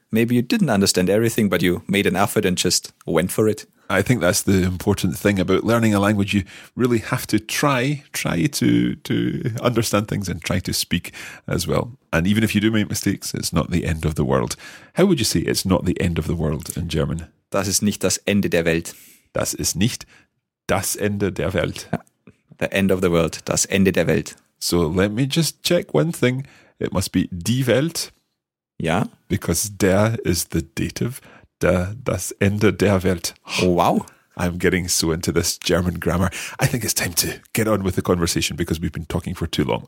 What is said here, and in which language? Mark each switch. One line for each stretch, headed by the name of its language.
English: Maybe you didn't understand everything, but you made an effort and just went for it. I think that's the important thing about learning a language. You really have to try to understand things and try to speak as well. And even if you do make mistakes, it's not the end of the world. How would you say it's not the end of the world in German?
German: Das ist nicht das Ende der Welt. Das ist nicht das Ende der Welt.
English: The end of the world,
German: das Ende der Welt.
English: So let me just check one thing. It must be die Welt.
German: Ja.
English: Because der is the dative.
German: Das Ende der Welt.
English: Oh, wow. I'm getting so into this German grammar. I think it's time to get on with the conversation because we've been talking for too long.